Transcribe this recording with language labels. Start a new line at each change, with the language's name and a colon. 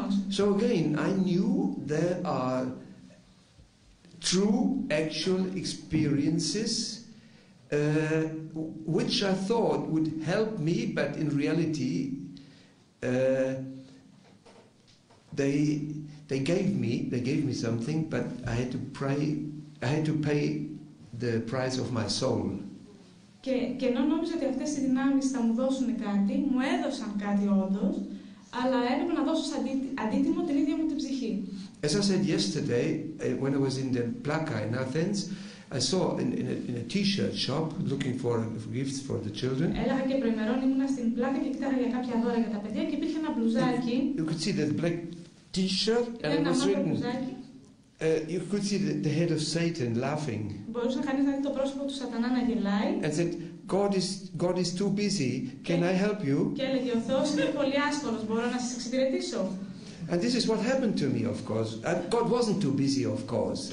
English: So again, I knew there are true, actual experiences which I thought would help me, but in reality they gave me something, but I had to pay the price of my soul.
Greek: Και ενώ νόμιζα ότι αυτές οι δυνάμεις θα μου δώσουν κάτι, μου έδωσαν κάτι όντως, αλλά έπρεπε να δώσω αντίτιμο την ίδια μου την ψυχή.
English: As I said yesterday, when I was in the Plaka in Athens, I saw in a T-shirt shop looking for gifts for the children.
Greek: Έλεγα και προημερών ήμουν στην Πλάκα και κοίταγα για κάποια δώρα για τα παιδιά και υπήρχε ένα μπλουζάκι.
English: You could see the black T-shirt and it was written. You could see the head of Satan laughing.
Greek: Μπορούσε κανείς να δει το πρόσωπο του Σατανά να γελάει.
English: And said, God is too busy. Can I help you?
Greek: Και έλεγε, ο Θεός είναι πολύ άσχολος. Μπορώ να σας εξυπηρετήσω?
English: And this is what happened to me, of course. God wasn't too busy, of course.